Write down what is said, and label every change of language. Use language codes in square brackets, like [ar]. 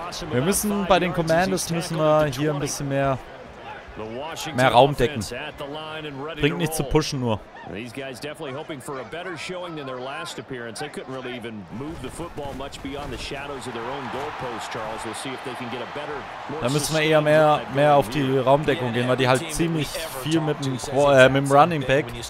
[de] Wir müssen bei den Commanders müssen wir hier ein bisschen mehr Raum decken. Bringt nicht zu pushen nur. [en] These guys definitely hoping for a better showing than their last appearance. They couldn't really even move the football much beyond the shadows of their own goalposts, Charles. We'll see if they can get a better. [de] Da müssen wir eher mehr auf die Raumdeckung gehen, weil die halt ziemlich viel mit dem Running Back.